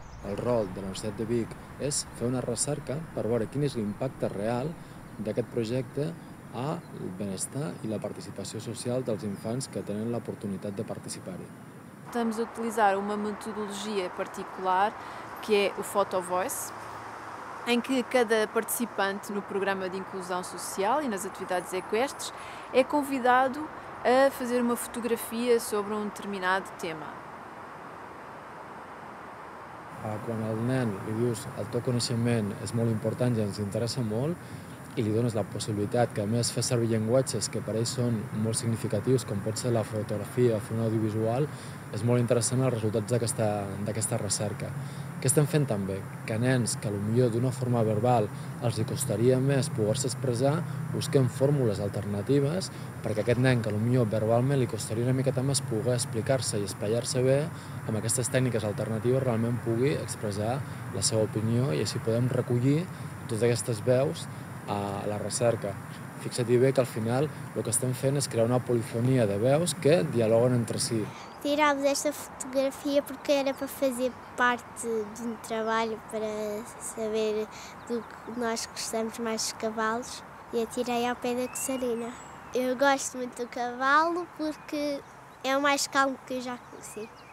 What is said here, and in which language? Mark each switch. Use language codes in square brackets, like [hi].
[ca] El rol de la Universitat de Vic és fer una recerca per veure quin és l'impacte real d'aquest projecte al benestar i la participació social dels infants que tenen l'oportunitat de participar-hi. [pt] Estamos a utilizar uma metodologia particular, que é o Photo Voice, em que cada participante no programa de inclusão social e nas atividades equestres é convidado a fazer uma fotografia sobre um determinado tema. [ca] Quan al nen li dius el teu coneixement és molt important i ens interessa molt i li dones la possibilitat que a més fer servir llenguatges que per ell són molt significatius com pot ser la fotografia o fer un audiovisual, és molt interessant els resultats d'aquesta recerca. Què estem fent també? Que nens que potser d'una forma verbal els costaria més poder-se expressar, busquem fórmules alternatives perquè aquest nen que potser verbalment li costaria una miqueta més poder explicar-se i espaiar-se bé, amb aquestes tècniques alternatives realment pugui expressar la seva opinió i així podem recollir totes aquestes veus a la recerca. Fixa-t'hi bé que al final el que estem fent és crear una polifonia de veus que dialoguen entre si. [pt] Tirámos esta fotografia porque era para fazer parte de um trabalho para saber do que nós gostamos mais dos cavalos e a tirei ao pé da Cossarina. Eu gosto muito do cavalo porque é o mais calmo que eu já conheci.